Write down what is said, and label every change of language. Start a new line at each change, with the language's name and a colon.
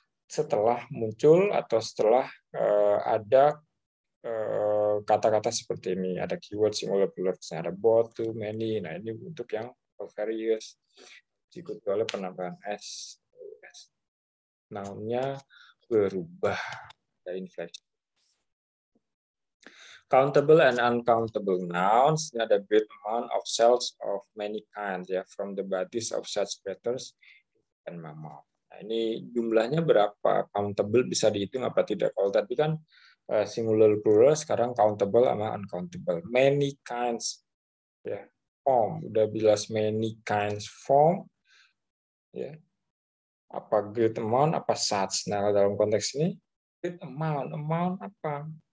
Indonesian: Setelah muncul atau setelah ada kata-kata seperti ini, ada keyword singular plural, ada both, too many. Nah, ini untuk yang various diikuti oleh penambahan s. Yes. Noun-nya berubah dari inflection. Countable and uncountable nouns. Ini ada
English: great amount of cells of many kinds ya, from the bodies of such creatures and mammals.
Indonesian: Nah, ini jumlahnya berapa? Countable bisa dihitung apa tidak? Kalau tadi kan singular plural, sekarang countable sama uncountable.
English: Many kinds ya, form.
Indonesian: Udah jelas
English: many kinds form.
Indonesian: Ya. Apa great amount? Apa such? Nah, dalam konteks ini great amount, amount apa?